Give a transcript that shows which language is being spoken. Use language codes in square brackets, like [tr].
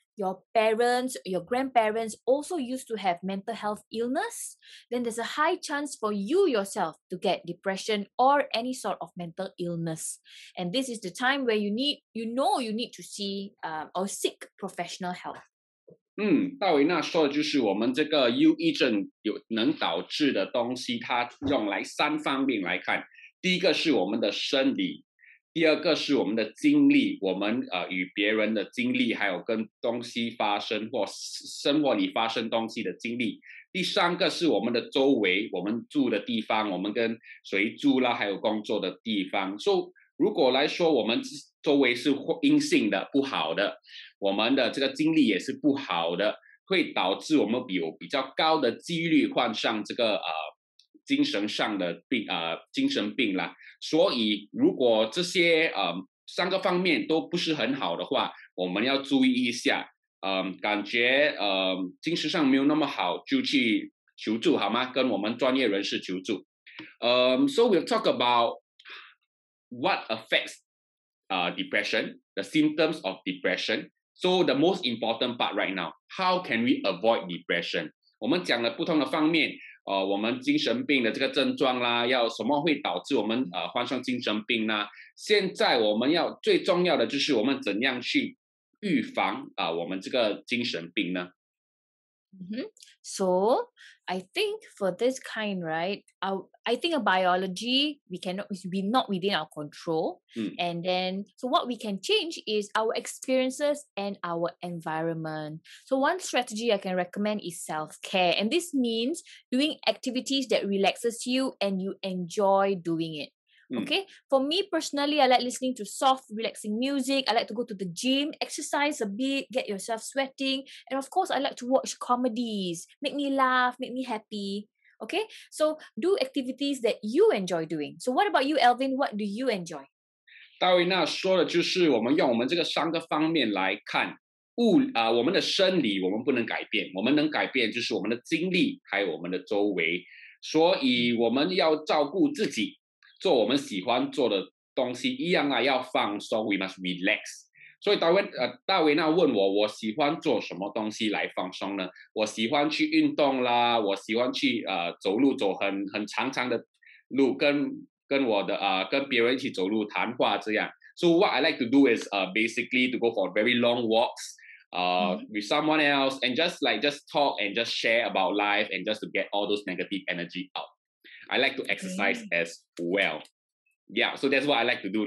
[en] Your parents, your grandparents also used to have mental health illness, then there's a high chance for you yourself to get depression or any sort of mental illness. And this is the time where you need to see or seek professional help. [zh] 大维娜说的就是我们这个忧郁症有能导致的东西，它用来三方面来看。第一个是我们的生理，第二个是我们的经历，我们与别人的经历，还有跟东西发生或生活里发生东西的经历。第三个是我们的周围，我们住的地方，我们跟谁住啦，还有工作的地方。所以如果来说我们周围是阴性的，不好的，我们的这个经历也是不好的，会导致我们有比较高的几率患上这个精神上的病精神病啦。所以如果这些三个方面都不是很好的话，我们要注意一下，感觉精神上没有那么好，就去求助好吗？跟我们专业人士求助。 [en] So we'll talk about what affects depression, the symptoms of depression. So the most important part right now, how can we avoid depression? [zh] 我们讲了不同的方面，我们精神病的这个症状啦，要什么会导致我们患上精神病呢？现在我们要最重要的就是我们怎样去预防我们这个精神病呢？ [en] So I think for this kind, right? I think a biology we're not within our control. And then so what we can change is our experiences and our environment. So one strategy I can recommend is self-care. And this means doing activities that relaxes you and you enjoy doing it. Okay, for me personally, I like listening to soft, relaxing music. I like to go to the gym, exercise a bit, get yourself sweating. And of course, I like to watch comedies, make me laugh, make me happy. Okay, so do activities that you enjoy doing. So what about you, Elvin? What do you enjoy? [zh] 大维娜说的就是我们用我们这个三个方面来看我们的生理我们不能改变，我们能改变就是我们的经历还有我们的周围，所以我们要照顾自己，做我们喜欢做的东西一样啊，要放松 ， [en] we must relax。 [zh] 所以大维纳问我，我喜欢做什么东西来放松呢？我喜欢去运动啦，我喜欢去走路，走很长长的路，跟我的跟别人一起走路谈话这样。 [en] So what I like to do is basically to go for very long walks with someone else and just talk and just share about life and just to get all those negative energy out. I like to exercise as well. Yeah, so that's what I like to do.